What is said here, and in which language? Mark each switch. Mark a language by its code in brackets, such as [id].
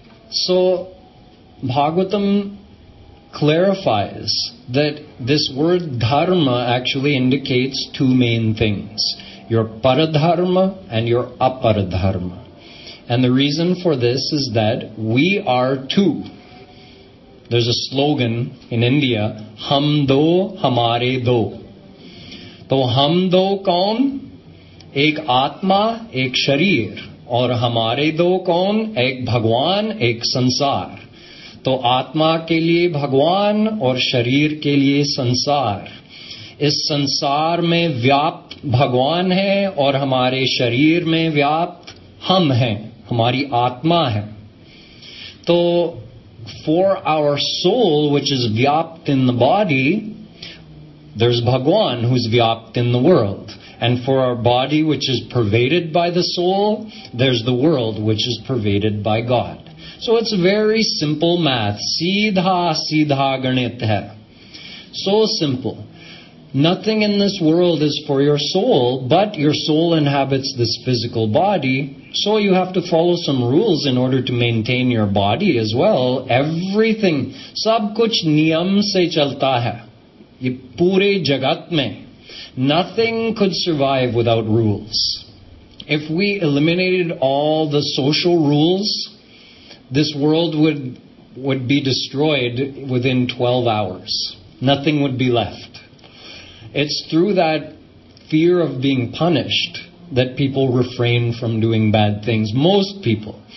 [en] So, Bhagavatam clarifies that this word dharma actually indicates two main things, your paradharma and your aparadharma. And the reason for this is that we are two. There's a slogan in India, [hi] हम दो हमारे दो. So हम दो कौन? एक आत्मा, एक शरीर. और हमारे दो कौन? एक भगवान, एक संसार. तो आत्मा के लिए भगवान और शरीर के लिए संसार. इस संसार में व्याप्त भगवान है और हमारे शरीर में व्याप्त हम है. हमारी आत्मा है. [en] To for our soul, which is vyapt in the body, there's Bhagwan who's vyapt in the world. And for our body, which is pervaded by the soul, there's the world, which is pervaded by God. So it's very simple math. [hi] सीधा, सीधा गणित है. [en] So simple. Nothing in this world is for your soul, but your soul inhabits this physical body. So you have to follow some rules in order to maintain your body as well. Everything. [hi] सब कुछ नियम से चलता है. Ye pure jagat mein, [en] nothing could survive without rules. If we eliminated all the social rules, this world would would be destroyed within 12 hours. Nothing would be left. It's through that fear of being punished that people refrain from doing bad things. Most people.